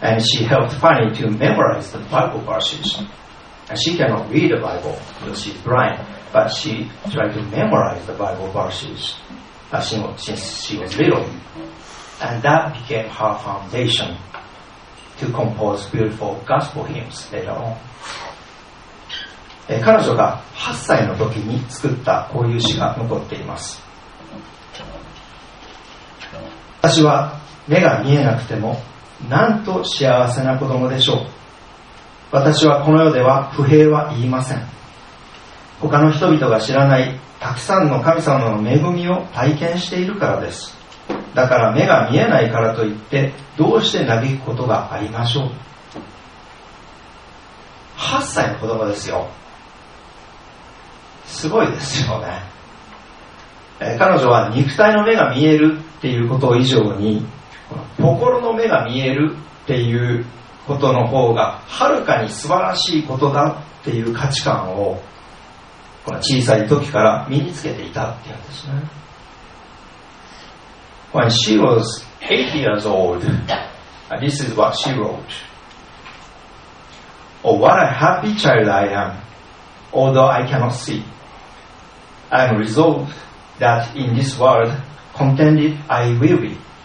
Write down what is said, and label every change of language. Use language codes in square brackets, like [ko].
[en] And she helped Fanny to memorize the Bible verses. And she cannot read the Bible because she's blind, but she tried to memorize the Bible verses. Since she was little, and that became her foundation to compose beautiful gospel hymns later on. [ja] 彼女が8歳の時に作ったこういう詩が残っています。私は目が見えなくてもなんと幸せな子供でしょう。私はこの世では不平は言いません。他の人々が知らないたくさんの神様の恵みを体験しているからです。だから目が見えないからといってどうして嘆くことがありましょう。 8歳の子供ですよ。すごいですよね。彼女は肉体の目が見えるっていうこと以上に、この心の目が見えるっていうことの方がはるかに素晴らしいことだっていう価値観を、この小さい時から身につけていたっていうんですね。 [en] When she was 8 years old, this is what she wrote. Oh, what a happy child I am, although I cannot see. I am resolved that in this world, contented I will be.